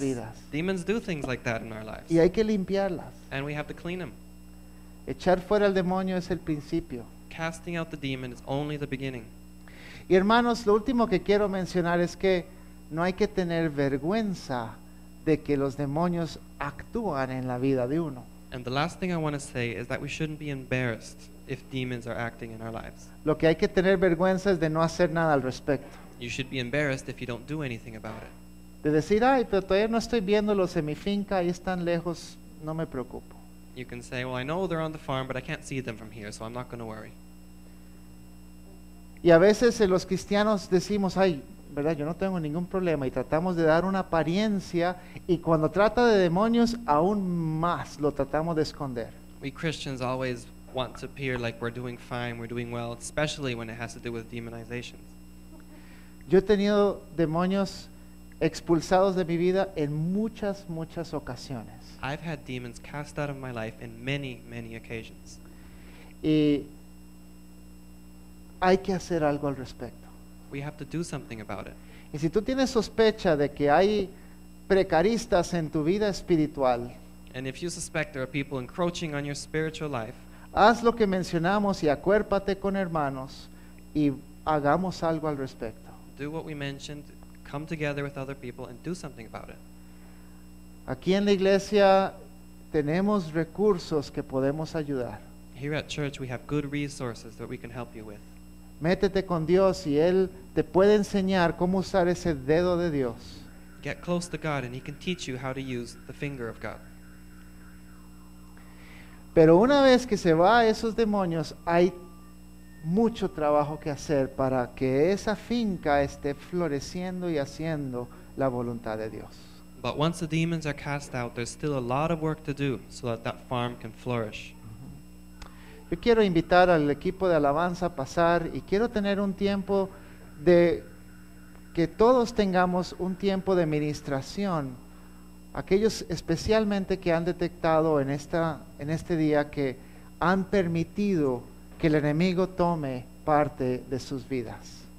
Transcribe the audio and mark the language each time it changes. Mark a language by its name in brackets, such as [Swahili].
[English] yes, [Spanish] vidas. [English] Demons do things like that in our lives. [Spanish] Y hay que limpiarlas. [English] And we have to clean them. [Spanish] Echar fuera al demonio es el principio. [English] Casting out the demon is only the beginning. [Spanish] Y hermanos, lo último que quiero mencionar es que no hay que tener vergüenza de que los demonios actúan en la vida de uno. [English] And the last thing I want to say is that we shouldn't be embarrassed if demons are acting in our lives. [Spanish] Lo que hay que tener vergüenza es de no hacer nada al respecto. [English] You should be embarrassed if you don't do anything about it. [Spanish] De decir, ay, pero todavía no estoy viéndolos en mi finca, ahí están lejos, no me preocupo. [English] You can say, well, I know they're on the farm, but I can't see them from here, so I'm not going to worry. [Spanish] Y a veces los cristianos decimos, ay, verdad, yo no tengo ningún problema, y tratamos de dar una apariencia, y cuando trata de demonios, aún más lo tratamos de esconder. [English] We Christians always want to appear like we're doing fine, we're doing well, especially when it has to do with demonizations. [Spanish] Yo he tenido demonios expulsados de mi vida en muchas, muchas ocasiones. [English] I've had demons cast out of my life in many, many occasions. [Spanish] Y hay que hacer algo al respecto. [English] We have to do something about it. [Spanish] Y si tú tienes sospecha de que hay precaristas en tu vida espiritual, [English] and if you suspect there are people encroaching on your spiritual life, [Spanish] haz lo que mencionamos y acuérpate con hermanos y hagamos algo al respecto. [English] Do what we mentioned, come together with other people and do something about it. [Spanish] Aquí en la iglesia tenemos recursos que podemos ayudar. [English] Here at church we have good resources that we can help you with. [Spanish] Métete con Dios y Él te puede enseñar cómo usar ese dedo de Dios. [English] Get close to God and He can teach you how to use the finger of God. [Spanish] Pero una vez que se va a esos demonios, hay mucho trabajo que hacer para que esa finca esté floreciendo y haciendo la voluntad de Dios. [English] But once the demons are cast out, there's still a lot of work to do so that that farm can flourish. [Spanish] Yo quiero invitar al equipo de alabanza a pasar y quiero tener un tiempo de que todos tengamos un tiempo de ministración. Aquellos especialmente que han detectado en este día que han permitido que el enemigo tome parte de sus vidas.